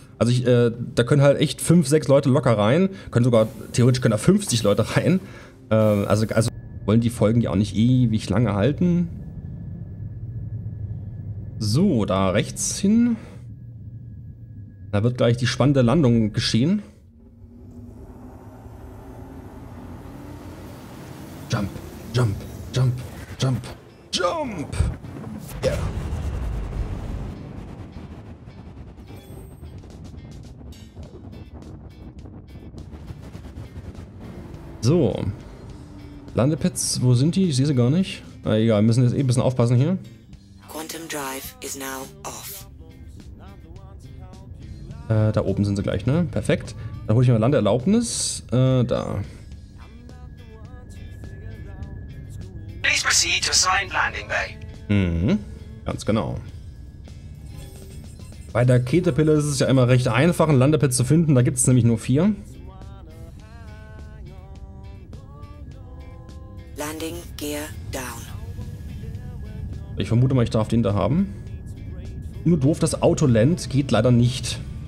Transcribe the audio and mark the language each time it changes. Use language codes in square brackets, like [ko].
[de] Also ich, da können halt echt 5, 6 Leute locker rein, können sogar, theoretisch können da 50 Leute rein. Also wollen die Folgen ja auch nicht ewig lange halten. So, da rechts hin. Da wird gleich die spannende Landung geschehen. [en] Jump, jump, jump, jump, jump! Yeah. [de] So. Landepads, wo sind die? Ich sehe sie gar nicht. Na egal, wir müssen jetzt eh ein bisschen aufpassen hier. [en] Quantum Drive is now off. [de] Da oben sind sie gleich, ne? Perfekt. Dann hole ich mir Landeerlaubnis. Da. [en] Please proceed to assigned landing bay. [de] Mhm. Ganz genau. Bei der Caterpillar ist es ja immer recht einfach, einen Landepad zu finden. Da gibt es nämlich nur 4. [en] Landing Gear down. [de] Ich vermute mal, ich darf den da haben. Nur doof, das Autoland geht leider nicht.